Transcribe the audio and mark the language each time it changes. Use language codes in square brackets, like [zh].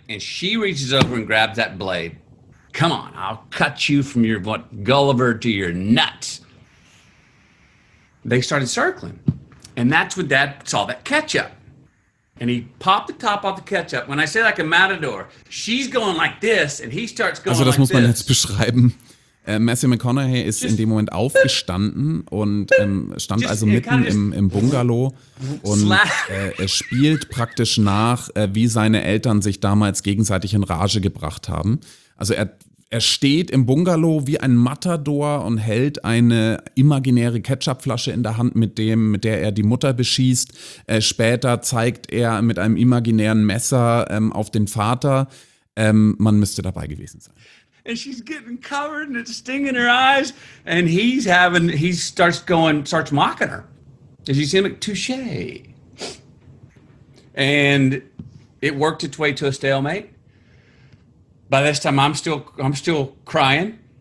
[en] And she reaches over and grabs that blade. Come on, I'll cut you from your Gulliver to your nuts. They started circling. And that's when dad saw that ketchup. And he popped the top off the ketchup. When I say like a matador, she's going like this and he starts going like this. [de] Also, das muss man jetzt beschreiben. Matthew McConaughey ist in dem Moment aufgestanden und stand also mitten im Bungalow und er spielt praktisch nach, wie seine Eltern sich damals gegenseitig in Rage gebracht haben. Also er, Er steht im Bungalow wie ein Matador und hält eine imaginäre Ketchupflasche in der Hand, mit der er die Mutter beschießt. Später zeigt er mit einem imaginären Messer auf den Vater. Man müsste dabei gewesen sein. [en] And she's getting covered and it's stinging her eyes. And he's having, he starts going, starts mocking her. And she's saying, touche. And it worked its way to a stalemate. By this time, I'm still crying.